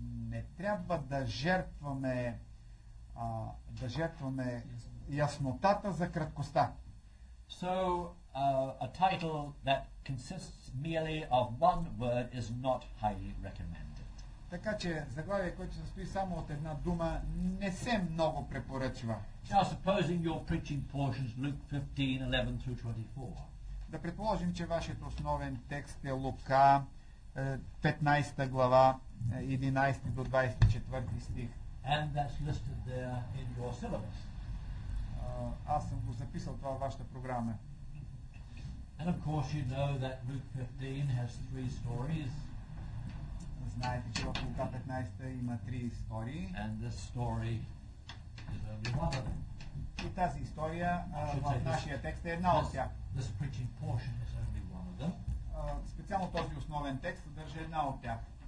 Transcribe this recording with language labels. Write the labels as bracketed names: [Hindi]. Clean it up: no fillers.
[Bulgarian] Не трябва да жертваме, да жертваме яснотата за краткостта. [English] So, a title that consists merely of one word is not highly recommended. [Bulgarian] Така че заглавие, което се състои само от една дума, не се много препоръчва. [English] Now, supposing you're preaching portions Luke 15, 11 through 24. [Bulgarian] Да предположим, че вашият основен текст е Лука 15 глава, 11 до 24 стих. [English] And that's listed there in your syllabus. [Bulgarian] Аз съм го записал това в вашата програма. [English] And of course you know that Luke 15 has three stories. [Bulgarian] Знаете, че в Лука 15 има три истории. [English] And this story is only one of them. [Bulgarian] И тази история в нашия текст е една от тях. [English] This preaching portion is only one of them. [Bulgarian] Специално този основен текст съдържа една от тях.